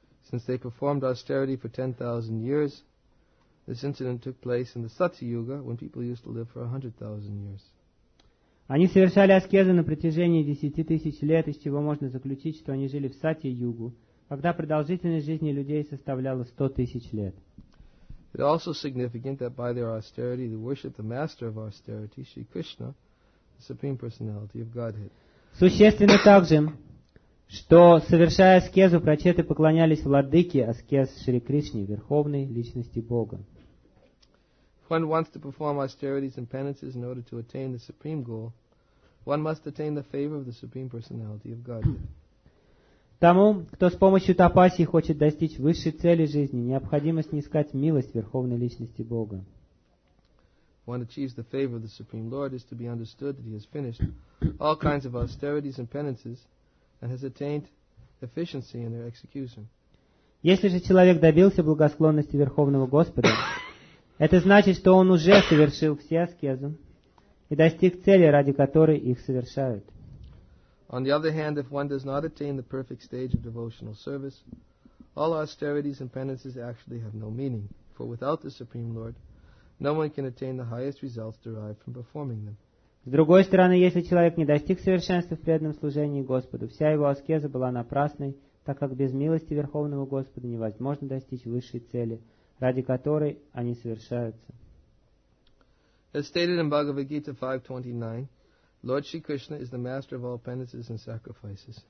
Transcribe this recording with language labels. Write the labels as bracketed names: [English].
[English] Since they performed austerity for 10,000 years, this incident took place in the Satyuga, when people used to live for 100,000 years. [Russian] Они совершали аскезы на протяжении 10,000 лет, из чего можно заключить, что они жили в Сати-югу, когда продолжительность жизни людей составляла 100,000 лет. [English] It is also significant that by their austerity they worship the master of austerity, Sri Krishna, the Supreme Personality of Godhead. [Russian] Существенно также, что, совершая аскезу, прачеты поклонялись владыке аскез Шри Кришне, верховной личности Бога. [English] If one wants to perform austerities and penances in order to attain the supreme goal, one must attain the favor of the Supreme Personality of Godhead. [Russian] Тому, кто с помощью тапасии хочет достичь высшей цели жизни, необходимо снискать милость Верховной Личности Бога. [English] One achieves the favor of the Supreme Lord is to be understood that he has finished all kinds of austerities and penances and has attained efficiency in their execution. [Russian] Если же человек добился благосклонности Верховного Господа, это значит, что он уже совершил все аскезы и достиг цели, ради которой их совершают. [English] On the other hand, if one does not attain the perfect stage of devotional service, all austerities and penances actually have no meaning, for without the Supreme Lord, no one can attain the highest results derived from performing them. [Russian] С другой стороны, если человек не достиг совершенства в преданном служении Господу, вся его аскеза была напрасной, так как без милости Верховного Господа невозможно достичь высшей цели, ради которой они совершаются. [English] As stated in Bhagavad Gita 5:29, Lord Shri Krishna is the master of all penances and sacrifices.